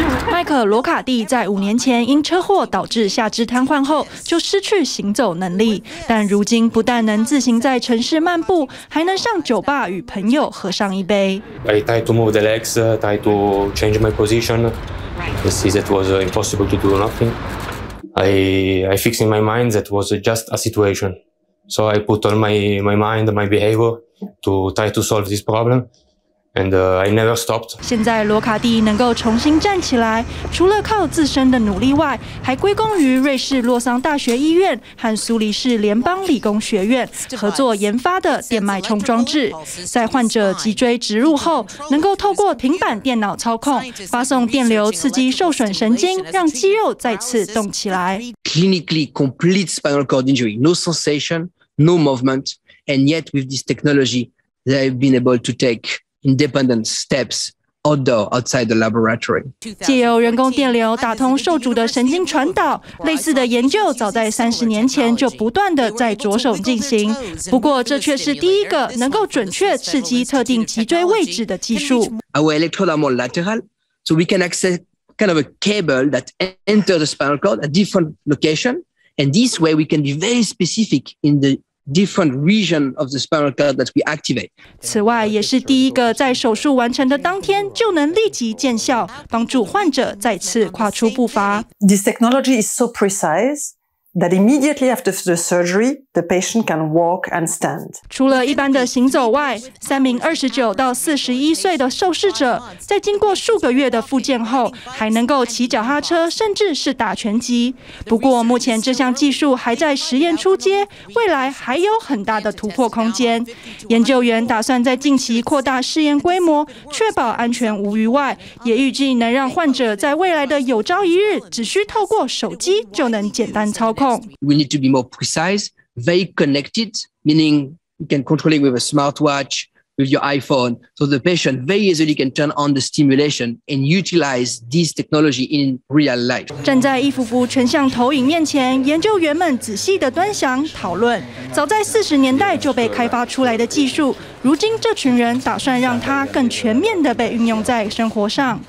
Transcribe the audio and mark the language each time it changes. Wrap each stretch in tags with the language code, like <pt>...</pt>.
<zh>麦克·罗卡蒂在5年前因车祸导致下肢瘫痪后就失去行走能力，但如今不但能自行在城市漫步，还能上酒吧与朋友喝上一杯。</zh> <en>I tried to move the legs, tried to change my position. This is it was impossible to do nothing. I fixed in my mind that was just a situation. So I put all my mind, my behavior to try to solve this problem. And I never stopped.</en> <zh>现在罗卡蒂能够重新站起来，除了靠自身的努力外，还归功于瑞士洛桑大学医院和苏黎世联邦理工学院合作研发的电脉冲装置，在患者脊椎植入后，能够透过平板电脑操控，发送电流刺激受损神经，让肌肉再次动起来。</zh> <en>Clinically complete spinal cord injury, no sensation, no movement, and yet with this technology, they've been able to take. Independent steps, although outside the laboratory.</en> <zh>借由人工电流打通受阻的神经传导，类似的研究早在30年前就不断的在着手进行。不过，这却是第一个能够准确刺激特定脊椎位置的技术。</zh> <en>Our electrodes are more lateral, so we can access kind of a cable that enters the spinal cord at different location, and this way we can be very specific in the. Different region of the spinal cord that we activate.</en> <zh>此外，也是第一个在手术完成的当天就能立即见效，帮助患者再次跨出步伐。</zh> <en>This technology is so precise that immediately after the surgery, the patient can walk and stand.</en> <zh>除了一般的行走外，三名29到41岁的受试者，在经过数个月的复健后，还能够骑脚踏车，甚至是打拳击。不过，目前这项技术还在实验初阶，未来还有很大的突破空间。研究员打算在近期扩大试验规模，确保安全无虞外，也预计能让患者在未来的有朝一日，只需透过手机就能简单操作。</zh> <en>We need to be more precise, very connected, meaning you can control it with a smartwatch, with your iPhone, so the patient very easily can turn on the stimulation and utilize this technology in real life.</en> <zh>站在伊芙芙全向投影面前，研究员们仔细地端详讨论。早在40年代就被开发出来的技术，如今这群人打算让它更全面地被运用在生活上。</zh>